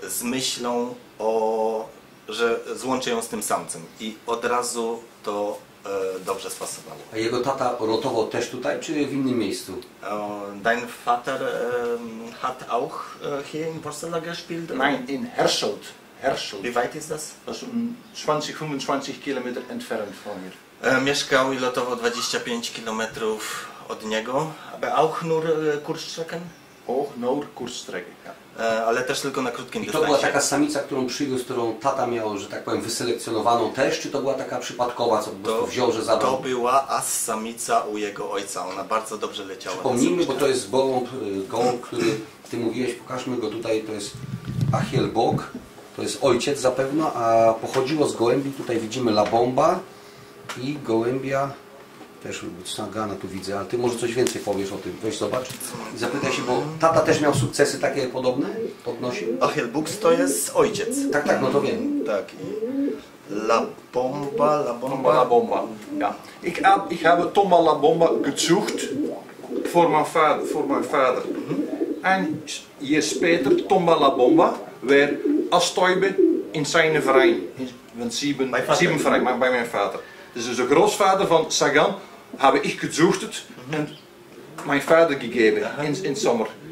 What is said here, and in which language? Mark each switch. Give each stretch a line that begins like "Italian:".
Polish: z myślą o że złączy ją z tym samcem i od razu to dobrze spasowało. A jego tata rotował też tutaj, czy w innym miejscu?
German: Dein Vater hat auch hier in Warszawa gespielt? Nein, in Herschold. Herschold. Wie weit ist das? 20-25 km entfernt von hier.
Polish: Mieszkał i lotował 25 km od niego.
German: Aber auch nur Kurzstrecken? Auch nur Kurzstrecken, ja.
Polish: Ale też tylko na krótkim dystansie. I to była taka samica, którą przywiózł, którą tata miał, że tak powiem, wyselekcjonowaną też, czy to była taka przypadkowa, co to, wziął, że zabrał? To była as samica u jego ojca, ona bardzo dobrze leciała. Przypomnijmy, bo to jest gołąb, który ty mówiłeś, pokażmy go tutaj, to jest Achielbog, to jest ojciec zapewne, a pochodziło z gołębi, tutaj widzimy La Bomba i gołębia, też Sagana tu widzę, ale ty może coś więcej powiesz o tym. Weź zobacz i zapytaj się, bo tata też miał sukcesy takie podobne, podnosił. Achielbuchs to jest ojciec. Tak, tak, no to wiem. Tak. La Bomba, La Bomba.
German: La Bomba, ja. Ich habe Toma La Bomba gezucht
English: for my father.
German: Ein Jahr später Toma La Bomba wer Astäube in seinem Verein. In sieben Verein, bei meinem Vater.
Dutch: Dus de grootvader van Sagan heb ik gezocht en mijn vader gegeven in zomer.